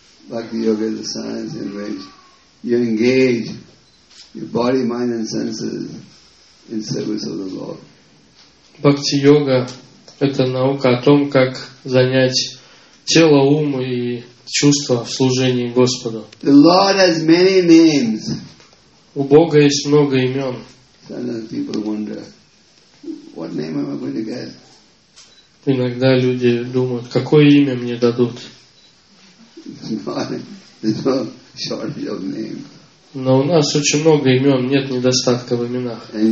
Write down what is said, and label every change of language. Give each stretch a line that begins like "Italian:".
Russian: Бхакти-йога — это
English: science in which you engage your body, mind and senses in service of the Lord.
Russian: Бхакти-йога — это наука о том, как занять тело, ум и чувства в служении Господу.
English: The Lord has many names.
Russian: У Бога есть много имен.
English: Sometimes people wonder, what name am I going to get?
Russian: Иногда люди думают, какое имя мне дадут.
English: No shortage of names.
Russian: Но у нас очень много имен, нет недостатка в именах.